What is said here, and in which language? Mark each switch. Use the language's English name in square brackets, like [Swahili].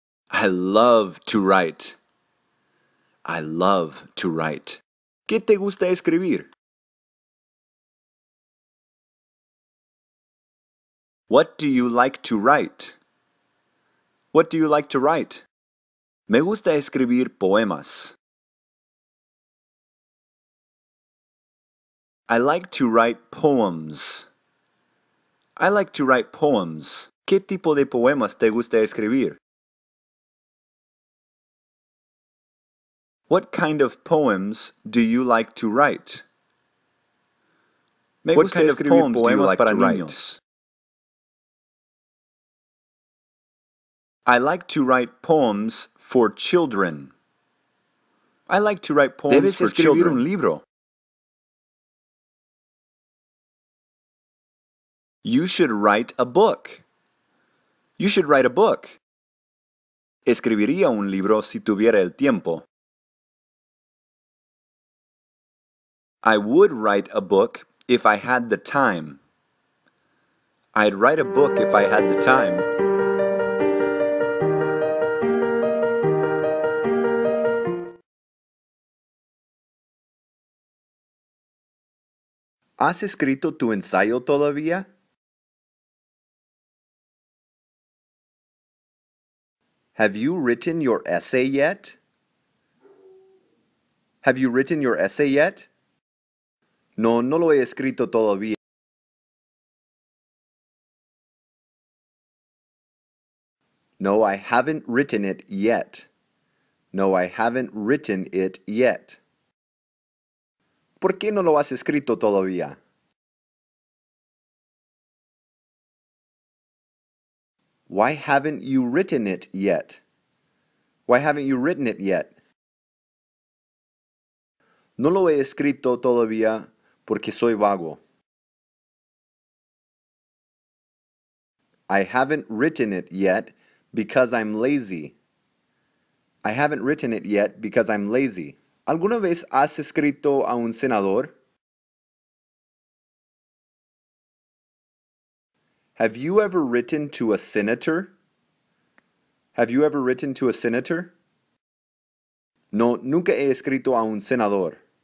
[English] I love to write. I love to write. [Spanish] ¿Qué te gusta escribir? [English] What do you like to write? What do you like to write? [Spanish] Me gusta escribir poemas. [English] I like to write poems. I like to write poems. [Spanish] ¿Qué tipo de poemas te gusta escribir? [English] What kind of poems do you like to write? [Spanish] Me gusta escribir poemas para niños. [English] What kind of poems do you like to write? I like to write poems for children. I like to write poems for children. [Spanish] Debes escribir un libro. [English] You should write a book. You should write a book. [Spanish] Escribiría un libro si tuviera el tiempo. [English] I would write a book if I had the time. I'd write a book if I had the time. [Spanish] ¿Has escrito tu ensayo todavía? [English] Have you written your essay yet? Have you written your essay yet? [Spanish] No, no lo he escrito todavía. [English] No, I haven't written it yet. No, I haven't written it yet. [Spanish] ¿Por qué no lo has escrito todavía? [English] Why haven't you written it yet? Why haven't you written it yet? [Spanish] No lo he escrito todavía porque soy vago. [English] I haven't written it yet because I'm lazy. I haven't written it yet because I'm lazy. [Spanish] ¿Alguna vez has escrito a un senador? [English] Have you ever written to a senator? Have you ever written to a senator? [Spanish] No, nunca he escrito a un senador.